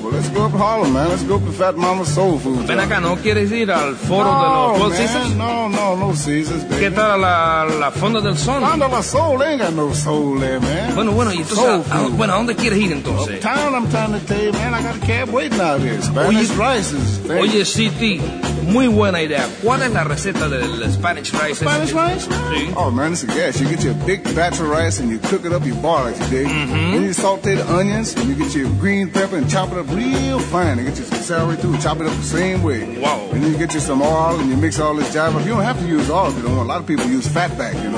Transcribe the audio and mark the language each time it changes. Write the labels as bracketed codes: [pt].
[en] Well, let's go up to Harlem, man. Let's go up to Fat Mama's Soul Food. [es] Ven acá, ¿no quieres ir al foro de los Four Seasons? [en] No, no, no Seasons, baby. [es] ¿Qué tal a la Fonda del Sol? [en] Fonda la Soul, ain't got no soul there, man. [es] Bueno, bueno, y entonces, ¿a dónde quieres ir entonces? [en] Uptown, I'm trying to tell you, man. I got a cab waiting out here. Spanish Rice is [es] famous. Oye, City. Muy buena idea. ¿Cuál es la receta del Spanish rice? [en] The Spanish rice? [es] Sí. [en] Oh, man, it's a gas. You get your big batch of rice and you cook it up, you boil it, you dig? Mm-hmm. Then you saute the onions and you get your green pepper and chop it up real fine. And get you some celery, too, chop it up the same way. Wow. And then you get you some oil and you mix all this jive up. You don't have to use oil if you don't want. A lot of people use fat back, you know.